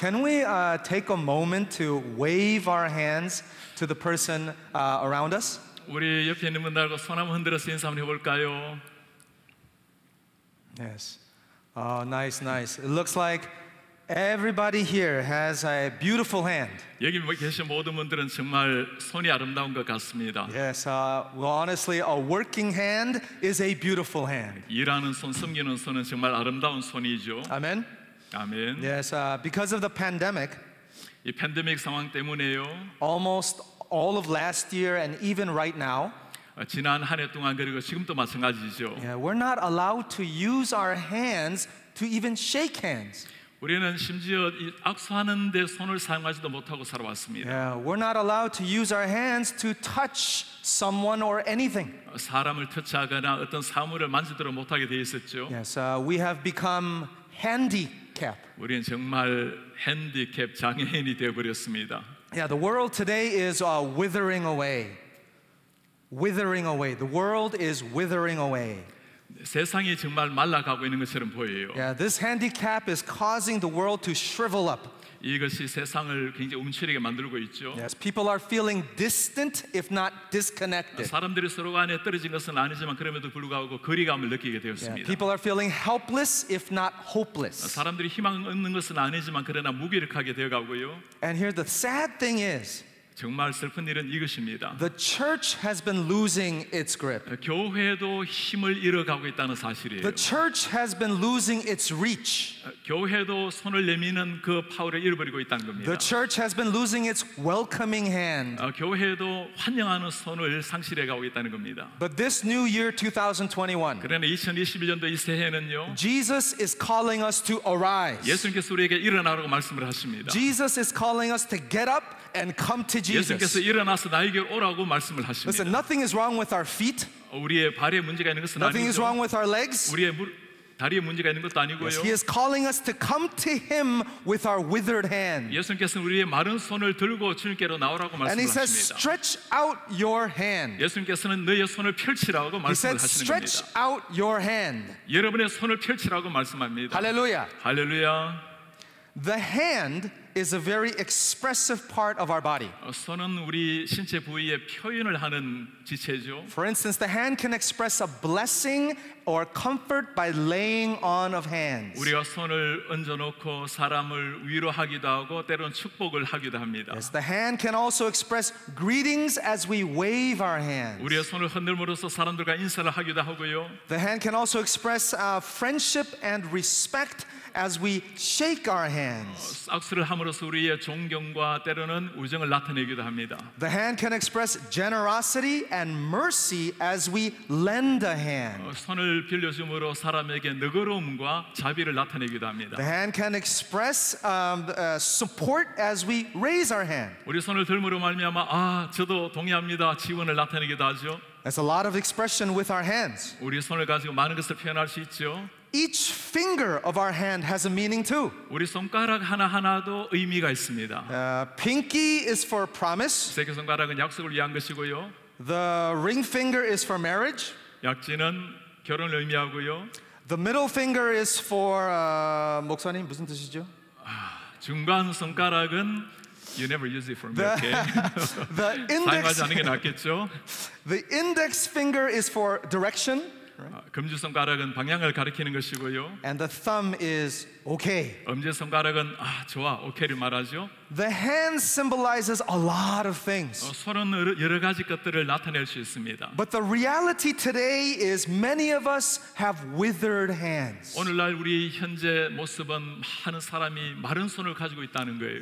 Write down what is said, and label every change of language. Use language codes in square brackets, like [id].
[en] Can we take a moment to wave our hands to the person around us? [ko] 우리 옆에 있는 분들하고 손 한번 흔들어서 인사 한번 해볼까요? [en] Yes. Nice, nice. It looks like everybody here has a beautiful hand. [ko] 여기 계신 모든 분들은 정말 손이 아름다운 것 같습니다. [en] Yes, well, honestly, a working hand is a beautiful hand. [ko] 일하는 손, 섬기는 손은 정말 아름다운 손이죠. [en] Amen. [ko] Amen. [en] Yes, because of the pandemic. [ko] 이 팬데믹 상황 때문에요. [en] Almost all of last year and even right now. [ko] 지난 한 해 동안 그리고 지금도 마찬가지죠. [en] Yeah, we're not allowed to use our hands to even shake hands. [ko] 우리는 심지어 악수하는 데 손을 사용하지도 못하고 살아왔습니다. [en] Yeah, we're not allowed to use our hands to touch someone or anything. [ko] 사람을 터치하거나 어떤 사물을 만지도록 못하게 되어 있었죠. [en] Yes, we have become handicap. [ko] 우리는 정말 핸디캡 장애인이 되어 버렸습니다. [en] Yeah, the world today is withering away. Withering away. The world is withering away. [ko] 세상이 정말 말라가고 있는 것처럼 보여요. [en] Yeah, this handicap is causing the world to shrivel up. [ko] 이것이 세상을 굉장히 움츠리게 만들고 있죠. [en] Yes, people are feeling distant, if not disconnected. [ko] 사람들이 서로 간에 떨어진 것은 아니지만 그럼에도 불구하고 거리감을 느끼게 되었습니다. [en] Yeah, people are feeling helpless, if not hopeless. [ko] 사람들이 희망 없는 것은 아니지만 그러나 무기력하게 되어가고요. [en] And here the sad thing is. [ko] 정말 슬픈 일은 이것입니다. [en] The church has been losing its grip. [ko] 교회도 힘을 잃어가고 있다는 사실이에요. [en] The church has been losing its reach. [ko] 교회도 손을 내미는 그 파워를 잃어버리고 있다는 겁니다. [en] The church has been losing its welcoming hand. [ko] 교회도 환영하는 손을 상실해 가고 있다는 겁니다. [en] But this new year 2021. [ko] 그러나 2021년도 이 새해는요. [en] Jesus is calling us to arise. [ko] 예수님께서 우리에게 일어나라고 말씀을 하십니다. [en] Jesus is calling us to get up and come to Jesus. [ko] 예수님께서 일어나서 나에게 오라고 말씀을 하십니다. [en] Listen, nothing is wrong with our feet. [ko] 우리의 발에 문제가 있는 것은 [en] nothing Nothing is wrong with our legs. [ko] 우리의 다리에 문제가 있는 것도 아니고요. [en] Yes, he is calling us to come to him with our withered hands. [ko] 예수님께서 우리의 마른 손을 들고 주님께로 나오라고 말씀하십니다. [en] And he says, stretch out your hand. [ko] 예수님께서는 너의 손을 펼치라고 말씀을 하시는 겁니다. [en] He says, stretch out your hand. [ko] 여러분의 손을 펼치라고 말씀합니다. 할렐루야. 할렐루야. [en] The hand is a very expressive part of our body. [ko] 손은 우리 신체 부위의 표현을 하는 지체죠. [en] For instance, the hand can express a blessing or comfort by laying on of hands. [ko] 우리가 손을 얹어놓고 사람을 위로하기도 하고 때로는 축복을 하기도 합니다. [en] Yes, the hand can also express greetings as we wave our hands. [ko] 우리의 손을 흔들므로써 사람들과 인사를 하기도 하고요. [en] The hand can also express friendship and respect as we shake our hands. [ko] 악수를 함으로써 우리의 존경과 때로는 우정을 나타내기도 합니다. [en] The hand can express generosity and mercy as we lend a hand. [ko] 손을 빌려줌으로 사람에게 너그러움과 자비를 나타내기도 합니다. [en] The hand can express support as we raise our hand. [ko] 우리 손을 들므로 말미암아 아, 저도 동의합니다. 지원을 나타내기도 하죠. [en] There's a lot of expression with our hands. [ko] 우리 손을 가지고 많은 것을 표현할 수 있죠. [en] Each finger of our hand has a meaning too. [ko] 우리 손가락 하나하나도 의미가 있습니다. [en] Pinky is for promise. [ko] 새끼손가락은 약속을 위한 것이고요. [en] The ring finger is for marriage. [ko] 약지는 결혼을 의미하고요. [en] The middle finger is for [ko] 목사님 무슨 뜻이죠? 중간 손가락은 [en] you never use it for me. Okay. The index [ko] 사용하지 않는 게 낫겠죠. [en] The index finger is for direction. Right. [ko] 금지손가락은 방향을 가리키는 것이고요. [en] And the thumb is okay. [ko] 엄지손가락은 아 좋아, okay를 말하죠. [en] The hand symbolizes a lot of things. [ko] 손은 여러 가지 것들을 나타낼 수 있습니다. [en] But the reality today is many of us have withered hands. [ko] 오늘날 우리 현재 모습은 많은 사람이 마른 손을 가지고 있다는 거예요.